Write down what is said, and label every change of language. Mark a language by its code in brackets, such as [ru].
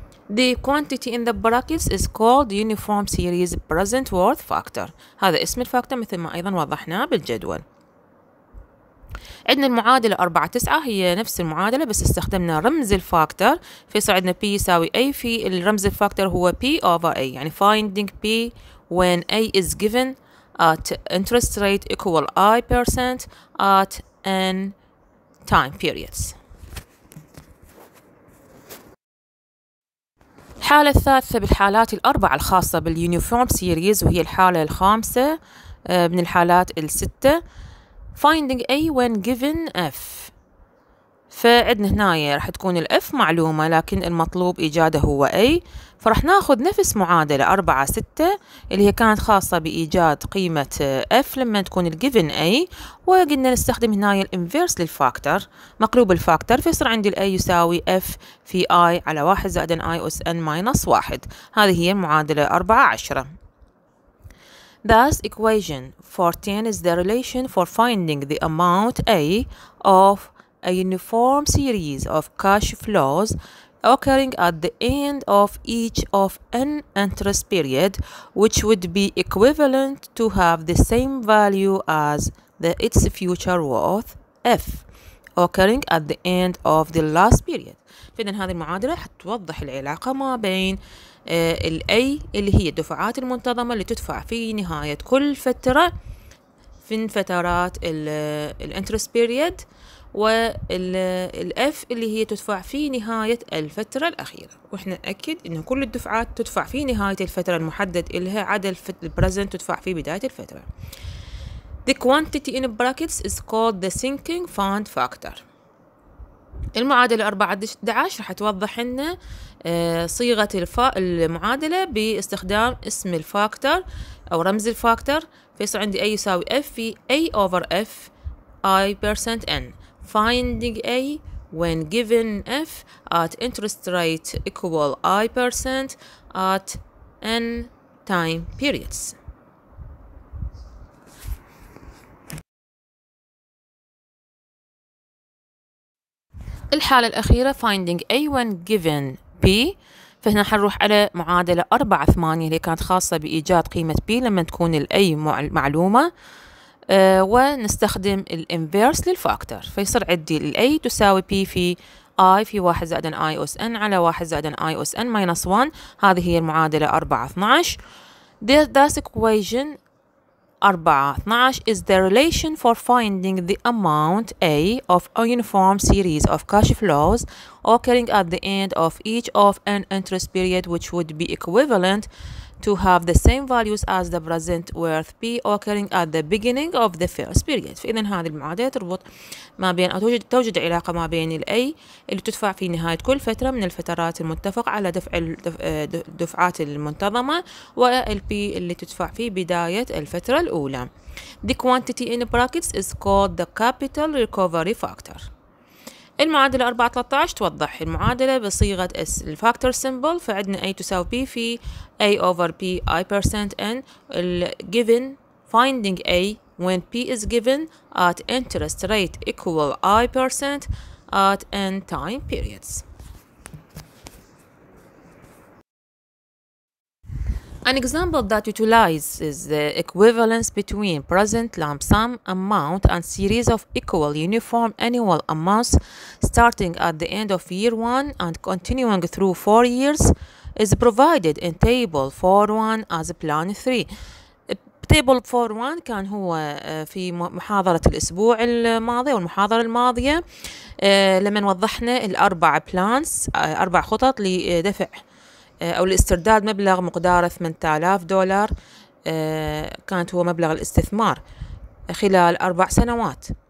[en] The quantity in the brackets is called uniform series present worth factor. [ar] هذا اسم الفاكتور مثل ما أيضا وضحناه بالجدول. عندنا المعادلة 4-9 هي نفس المعادلة بس استخدمنا رمز الفاكتور، فيصير عندنا P يساوي A في الرمز الفاكتور هو P over A، يعني [en] finding P when A is given at interest rate equal I percent at N time periods. [ar] الحالة الثالثة بالحالات الأربع الخاصة باليونيفورم سيريز، وهي الحالة الخامسة من الحالات الستة. [en] Finding A when given F، [ar] فعندنا هنا راح تكون ال F معلومة لكن المطلوب إيجاده هو A، فراح ناخذ نفس معادلة 4-6 اللي هي كانت خاصة بإيجاد قيمة F لما تكون ال given A، وقلنا نستخدم هنا الانفيرس للفاكتور، مقلوب الفاكتور فيصير عندي ال A يساوي F في I على 1 زائد I أس N ماينس 1. هذه هي المعادلة 4-10. [en] Thus equation 14 is the relation for finding the amount A of a uniform series of cash flows occurring at the end of each of n interest period which would be equivalent to have the same value as the its future worth F occurring at the end of the last period. [ar] فإذا هذه المعادلة حتوضح العلاقة ما بين ال A اللي هي الدفعات المنتظمة اللي تدفع في نهاية كل فترة من فترات ال interest period والF اللي هي تدفع في نهاية الفترة الأخيرة، وإحنا نأكد إنه كل الدفعات تدفع في نهاية الفترة المحدد إلها عدا الـ present تدفع في بداية الفترة. [en] The quantity in brackets is called the sinking fund factor. [ar] المعادلة 4-11 راح توضح لنا صيغة المعادلة باستخدام اسم الفاكتور أو رمز الفاكتور، فيصير عندي A يساوي F في A over F I percent N. [en] Finding A when given F at interest rate equal I percent at N time periods. [ar] الحالة الأخيرة [en] finding A when given P، [ar] فهنا حنروح على معادلة 4-8 اللي كانت خاصة بإيجاد قيمة P لما تكون ال A معلومة، ونستخدم الانفيرس للفاكتور، فيصير عندي ال A تساوي P في I في 1 زائد I أس N على 1 زائد I أس N ماينس 1. هذه هي المعادلة 4-12. [en] This equation 4-12 is the relation for finding the amount A of a uniform series of cash flows occurring at the end of each of an interest period, which would be equivalent to have the same values as the present worth P occurring at the beginning of the first period. [ar] فإذن هذه المعادلة تربط ما بين أو توجد علاقة ما بين الـ A اللي تدفع في نهاية كل فترة من الفترات المتفق على دفع الدفعات المنتظمة والـ P اللي تدفع في بداية الفترة الأولى. [en] The quantity in brackets is called the capital recovery factor. [ar] المعادلة 4-13 توضح المعادلة بصيغة الفاكتور سيمبل، فعندنا A تساوي B في A over P I percent N given [en] finding A when P is given at interest rate equal I percent at N time periods. An example that utilizes the equivalence between present lump sum amount and series of equal uniform annual amounts starting at the end of year 1 and continuing through 4 years is provided in table 4.1 as plan 3. [ar] Table 4.1 كان هو في محاضرة الأسبوع الماضي والمحاضرة الماضية لما وضحنا الأربع plans أربع خطط لدفع أو الاسترداد مبلغ مقداره $8,000 كانت هو مبلغ الاستثمار خلال 4 سنوات.